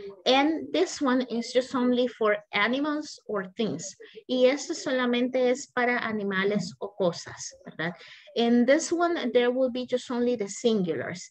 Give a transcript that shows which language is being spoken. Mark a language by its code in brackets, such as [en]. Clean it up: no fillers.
[en] And this one is just only for animals or things. [es] Y esto solamente es para animales o cosas, ¿verdad? [en] In this one, there will be just only the singulars.